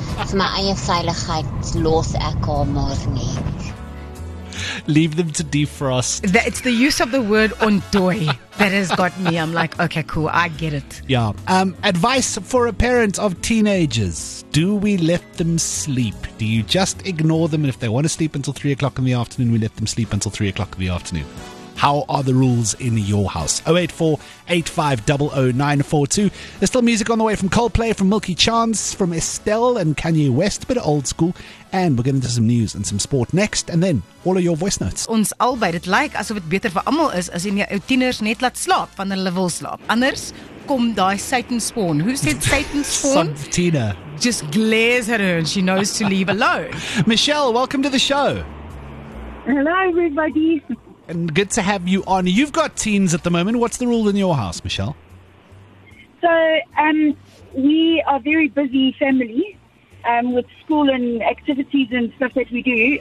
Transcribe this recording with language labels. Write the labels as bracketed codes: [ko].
[af] Vir my eie veiligheid los ek haar maar net. [en] Leave them to defrost. It's the use of the word ontdooi that has got me. I'm like, okay, cool, I get it. Yeah. Advice for a parent of teenagers. Do we let them sleep? Do you just ignore them? And if they want to sleep until 3 o'clock in the afternoon, we let them sleep until 3 o'clock in the afternoon. How are the rules in your house? 084-850-942. There's still music on the way from Coldplay, from Milky Chance, from Estelle and Kanye West. A bit of old school. And we're getting into some news and some sport next. And then, all of your voice notes. [af] Ons albei, dit lyk asof dit beter vir almal is as jy jou tieners net laat slaap, van hulle wil slaap. Anders kom daai [en] Satan spawn. Who said Satan spawn? Tina. Just glares at her and she knows to leave alone. Michelle, welcome to the show. Hello, everybody. And good to have you on. You've got teens at the moment. What's the rule in your house, Michelle? So, we are a very busy family with school and activities and stuff that we do.